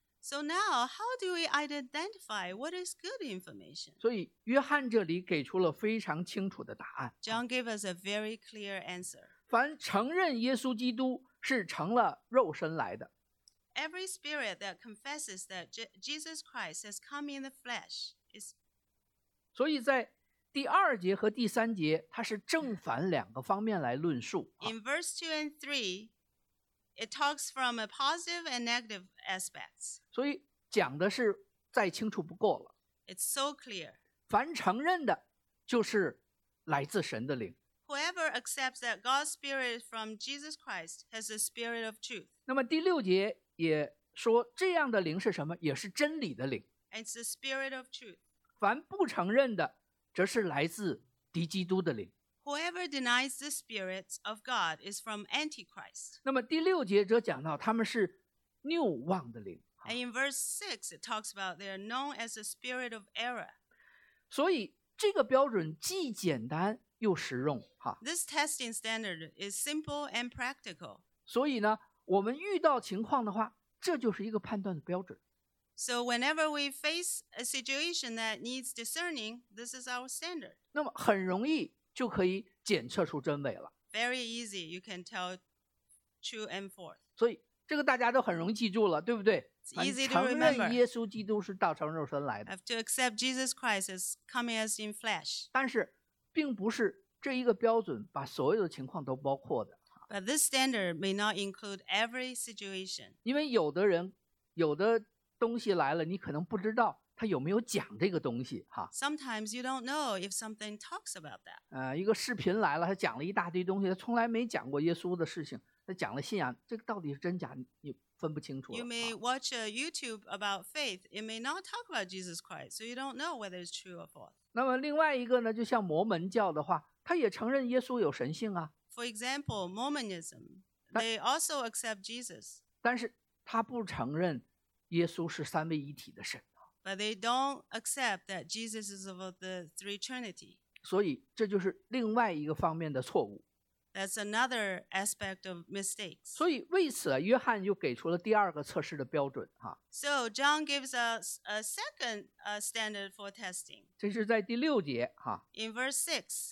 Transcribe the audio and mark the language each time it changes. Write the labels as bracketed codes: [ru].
[en] So now, how do we identify what is good information? [zh] 所以约翰这里给出了非常清楚的答案。 [en] John gave us a very clear answer. [zh] 凡承认耶稣基督是成了肉身来的。 [en] Every spirit that confesses that Jesus Christ has come in the flesh is. [zh] 所以在第二节和第三节，它是正反两个方面来论述。 [en] In verse 2 and 3,It talks from a positive and negative aspects. [zh] 所以讲的是再清楚不过了。 [en] It's so clear. [zh] 凡承认的就是来自神的灵。 [en] Whoever accepts that God's spirit is from Jesus Christ has the spirit of truth. [zh] 那么第六节也说这样的灵是什么？也是真理的灵。 [en] It's the spirit of truth. [zh] 凡不承认的则是来自敌基督的灵。 [en] Whoever denies the spirit of God is from Antichrist. [zh] 那么第六节则讲到他们是谬妄的灵。 [en] And in verse 6, it talks about they are known as the spirit of error. [zh] 所以这个标准既简单又实用。 [en] This testing standard is simple and practical. [zh] 所以呢，我们遇到情况的话，这就是一个判断的标准。 [en] So whenever we face a situation that needs discerning, this is our standard. [zh] 那么很容易就可以检测出真伪了。 [en] Very easy, you can tell true and false. [zh] 所以这个大家都很容易记住了，对不对？承认耶稣基督是道成肉身来的。 [en] I have to accept Jesus Christ as coming as in flesh. [zh] 但是并不是这一个标准把所有的情况都包括的。 [en] But this standard may not include every situation. [zh] 因为有的人有的东西来了你可能不知道他有没有讲这个东西哈。 [en] Sometimes you don't know if something talks about that. [zh] 一个视频来了他讲了一大堆东西他从来没讲过耶稣的事情他讲了信仰这个到底是真假你分不清楚了。 [en] You may watch a YouTube about faith. It may not talk about Jesus Christ. So you don't know whether it's true or false. [zh] 那么另外一个呢就像摩门教的话他也承认耶稣有神性啊。 [en] For example, Mormonism, they also accept Jesus. [zh] 但是他不承认耶稣是三位一体的神。 [en] But they don't accept that Jesus is of the three trinity. [zh] 所以这就是另外一个方面的错误。 [en] That's another aspect of mistakes. [zh] 所以为此约翰就给出了第二个测试的标准。 [en] So John gives us a second standard for testing. [zh] 这是在第六节。 [en] In verse 6.